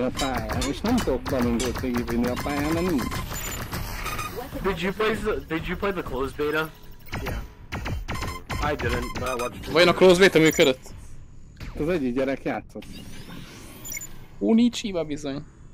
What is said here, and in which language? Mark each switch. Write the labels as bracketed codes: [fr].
[hu] A pályán, és nem tudok kalingót végigvinni a pályán, mert nincs. [en] Did you play the closed beta? Yeah. I didn't, but I watched [hu] it. Vajon a closed beta működött? Az egyik gyerek játszott. Unichiwa bizony.